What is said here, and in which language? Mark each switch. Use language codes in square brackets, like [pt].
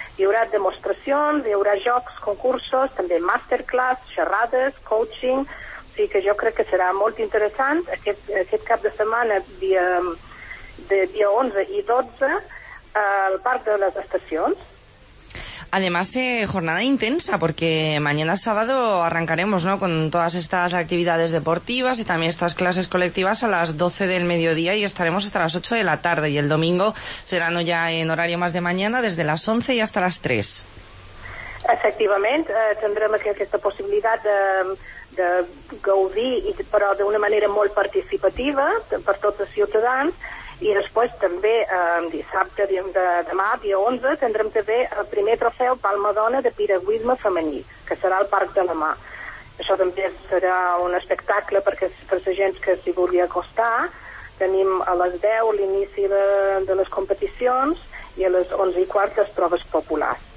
[ca] Hi haurà demostracions, hi haurà jocs, concursos, també masterclass, xerrades, coaching. O sigui que jo crec que serà molt interessant aquest cap de setmana, dia 11 i 12, al Parc de les Estacions. [es] Además, jornada intensa, porque mañana sábado arrancaremos, ¿no?, con todas estas actividades deportivas y también estas clases colectivas a las 12 del mediodía, y estaremos hasta las 8 de la tarde, y el domingo será, ¿no?, ya en horario más de mañana, desde las 11 y hasta las 3. Efectivamente, tendremos esta posibilidad de gaudir, pero de una manera muy participativa para todos los ciudadanos. [ca] I després també dissabte, demà, dia 11, tindrem també el primer trofeu Palmadona de piragüisme femení, que serà al Parc de la Mà. Això també serà un espectacle per la gent que s'hi vulgui acostar. Tenim a les 10 l'inici de les competicions i a les 11 i quart les proves populars.